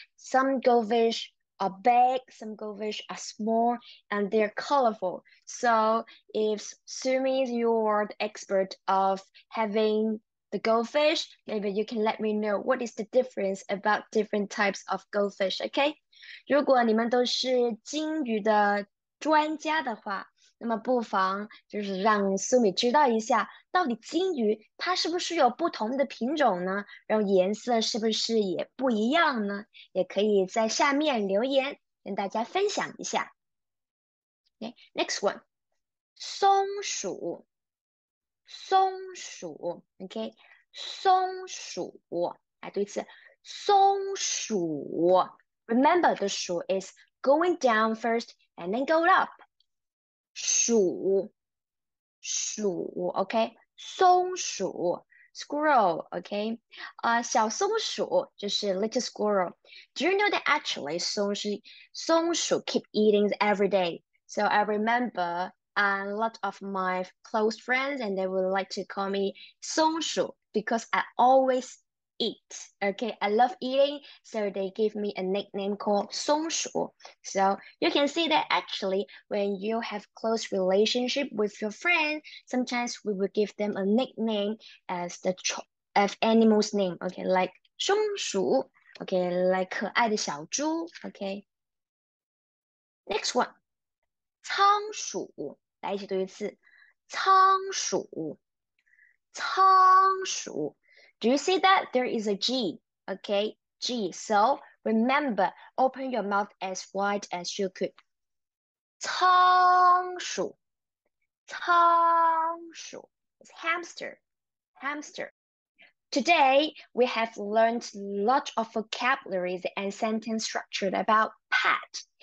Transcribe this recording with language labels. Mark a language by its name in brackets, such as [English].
[English] Some goldfish are big, some goldfish are small, and they're colorful. So if Sumi, you're the expert of having the goldfish, maybe you can let me know what is the difference about different types of goldfish, okay? [Chinese] 如果你们都是金鱼的专家的话, 那么不妨就是让Sumi知道一下到底金鱼它是不是有不同的品种呢? 然后颜色是不是也不一样呢?也可以在下面留言跟大家分享一下。 [English] Okay, next one, [Chinese] 松鼠, 松鼠，OK，松鼠，来读一次，松鼠。 [English] Remember, the 鼠 is going down first and then go up. [Chinese] 鼠，鼠，OK，松鼠，squirrel，OK，小松鼠就是 [English] little squirrel. Do you know that actually 松鼠 keep eating every day? So I remember. A lot of my close friends and they would like to call me 松鼠 because I always eat. Okay, I love eating, so they give me a nickname called 松鼠. So you can see that actually, when you have close relationship with your friend, sometimes we will give them a nickname as the of animal's name. Okay, like 松鼠.Okay, like [Chinese] 可爱的小猪. [English] Okay, next one, 仓鼠. [Chinese] 来一起读一次，仓鼠，仓鼠。 [English] Do you see that? There is a G, okay? G. So remember, open your mouth as wide as you could. [Chinese] 仓鼠，仓鼠。 [English] It's hamster, hamster. Today we have learned lots of vocabularies and sentence structured about pet.